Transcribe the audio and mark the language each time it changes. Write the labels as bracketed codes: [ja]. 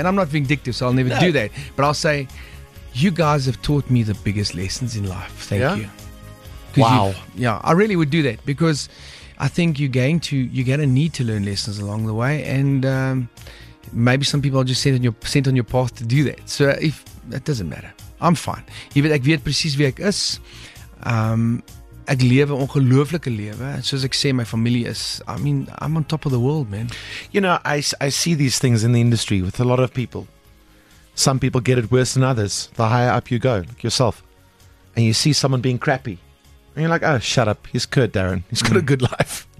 [en] And I'm not vindictive, so I'll never do that. But I'll say, you guys have taught me the biggest lessons in life. Thank you. Wow. Yeah, I really would do that because I think you're going to need to learn lessons along the way. And maybe some people are just sent on your path to do that. So if that doesn't matter. I'm fine. [af] Jy weet, ek weet presies wie ek is. Ek lewe 'n ongelooflike lewe. Soos ek sê, my familie is, [en] I mean, I'm on top of the world, man. You know, I see these things in the industry with a lot of people. Some people get it worse than others. The higher up you go, like yourself. And you see someone being crappy. And you're like, oh, shut up. He's Kurt, Darren. He's got a good life.